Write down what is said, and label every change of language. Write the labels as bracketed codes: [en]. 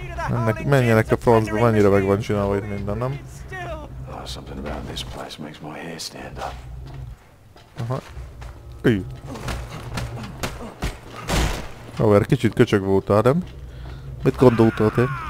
[hu] Ennek, menjenek a francba, mennyire meg van csinálva itt minden, nem? [en] Something about this place makes my hair stand up. [hu] Aha. Új. Haver, kicsit köcsög voltál, nem? Mit gondoltál te?